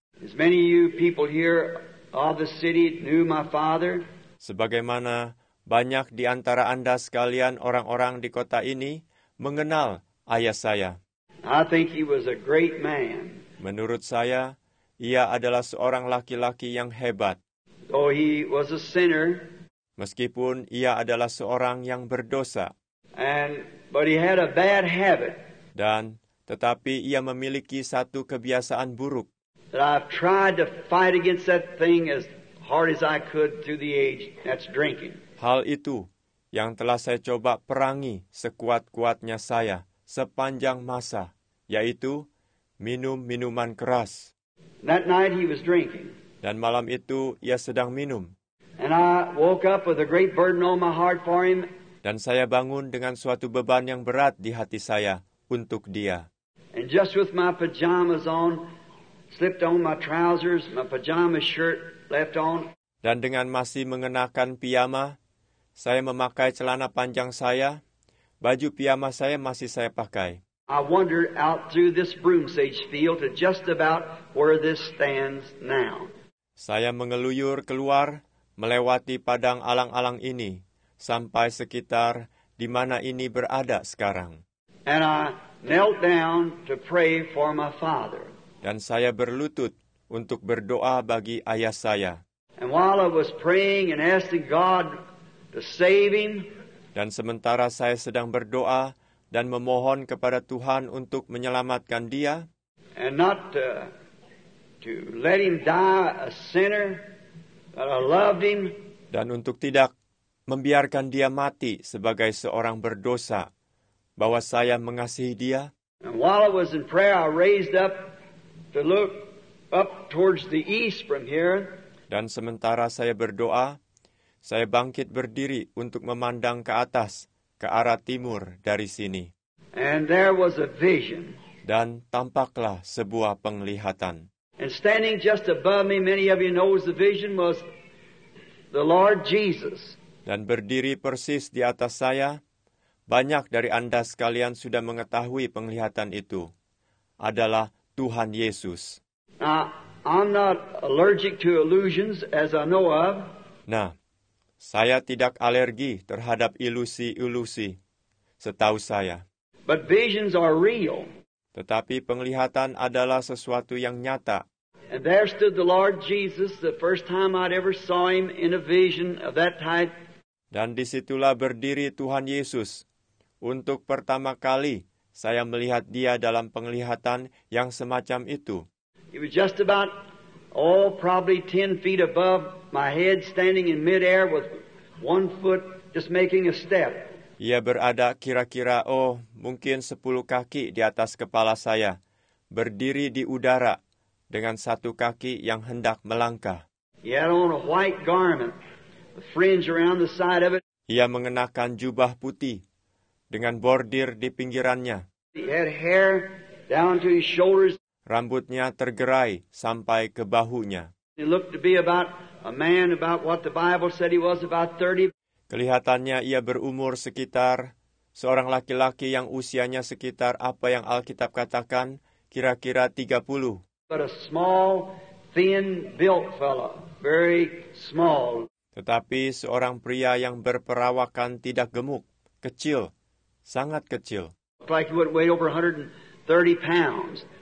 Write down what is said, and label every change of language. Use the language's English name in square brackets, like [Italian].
[English] As many of you people here of the city knew my father. [Indonesian] Sebagaimana banyak di antara Anda sekalian orang-orang di kota ini mengenal ayah saya. [English] I think he was a great man. [Indonesian] Menurut saya, ia adalah seorang laki-laki yang hebat. [English] Though he was a sinner. [Indonesian] Meskipun ia adalah seorang yang berdosa. [English] But he had a bad habit. [Indonesian] Dan tetapi ia memiliki satu kebiasaan buruk. [English] That I've tried to fight against that thing as hard as I could through the age. That's drinking. [Indonesian] Hal itu yang telah saya coba perangi sekuat-kuatnya saya sepanjang masa, yaitu minum minuman keras. [English] That night he was drinking. [Indonesian] Dan malam itu ia sedang minum. [English] And I woke up with a great burden on my heart for him. [Indonesian] Dan saya bangun dengan suatu beban yang berat di hati saya untuk dia. [English] And just with my pajamas on, slipped on my trousers, my pajama shirt left on. [Indonesian] Dan dengan masih mengenakan piyama, saya memakai celana panjang saya, baju piyama saya masih saya pakai. [English] I wandered out through this broom sage field to just about where this stands now. [Indonesian] Saya mengeluyur keluar, melewati padang alang-alang ini. Sampai sekitar di mana ini berada sekarang. [English] And I knelt down to pray for my father. [Indonesian] Dan saya berlutut untuk berdoa bagi ayah saya. [English] And while I was praying and asking God to save him. [Indonesian] Dan sementara saya sedang berdoa dan memohon kepada Tuhan untuk menyelamatkan dia. [English] And not to let him die a sinner. that I loved him. [Indonesian] Dan untuk tidak membiarkan dia mati sebagai seorang berdosa, bahwa saya mengasihi dia. [English] And while I was in prayer, I raised up to look up towards the east from here. [Indonesian] Dan sementara saya berdoa, saya bangkit berdiri untuk memandang ke atas, ke arah timur dari sini. [English] And there was a vision. [Indonesian] Dan tampaklah sebuah penglihatan. [English] And standing just above me, many of you know the vision was the Lord Jesus. [Indonesian] Dan berdiri persis di atas saya, banyak dari Anda sekalian sudah mengetahui penglihatan itu, adalah Tuhan Yesus. [English] I'm not allergic to illusions as I know of. [Indonesian] Nah, saya tidak alergi terhadap ilusi-ilusi, setahu saya. [English] But visions are real. [Indonesian] Tetapi penglihatan adalah sesuatu yang nyata. [English] And there stood the Lord Jesus, the first time I'd ever saw him in a vision of that type. [Indonesian] Dan disitulah berdiri Tuhan Yesus. Untuk pertama kali saya melihat dia dalam penglihatan yang semacam itu. [English] He was just about, probably 10 feet above my head, standing in midair with one foot just making a step. [Indonesian] Ia berada kira-kira, mungkin 10 kaki di atas kepala saya, berdiri di udara dengan satu kaki yang hendak melangkah. [English] He had on a white garment, a fringe around the side of it. [Indonesian] Ia mengenakan jubah putih dengan bordir di pinggirannya. [English] He had hair down to his shoulders. [Indonesian] Rambutnya tergerai sampai ke bahunya. [English] He looked to be about a man about what the Bible said he was, about 30. [Indonesian] Kelihatannya ia berumur sekitar seorang laki-laki yang usianya sekitar apa yang Alkitab katakan, kira-kira 30. [English] But a small, thin built fellow, very small. [Indonesian] Tetapi seorang pria yang berperawakan tidak gemuk, kecil, sangat kecil. [English] Like he would weigh over 130 pounds.